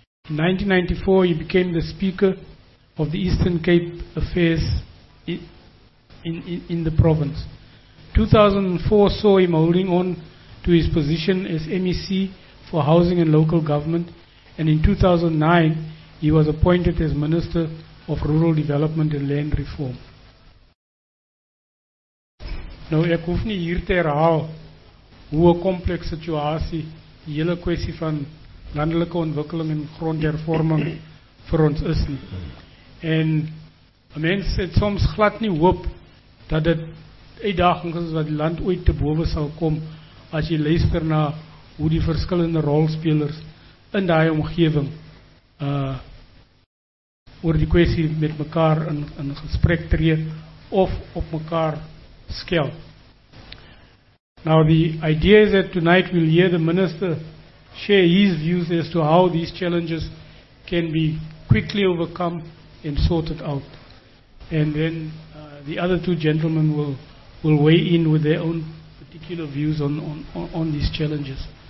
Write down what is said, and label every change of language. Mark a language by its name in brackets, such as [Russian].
[English] In 1994, he became the Speaker of the Eastern Cape Affairs in the province. 2004 saw him holding on to his position as MEC for Housing and Local Government. And in 2009, he was appointed as Minister of Rural Development and Land Reform. [Afrikaans] Nou, ek hoef nie hier te herhaal hoe 'n komplekse situasie die hele kwestie van landelike ontwikkeling en grondhervorming vir ons is nie. En mense het soms glad nie hoop dat dit uitdagings is wat die land ooit te bowe sal kom, as jy luister na hoe die verskillende rolspelers in die omgeving oor die kwestie met mekaar in gesprek tree of op mekaar skel. [English] Now the idea is that tonight we'll hear the minister share his views as to how these challenges can be quickly overcome and sorted out. And then the other two gentlemen will weigh in with their own particular views on these challenges.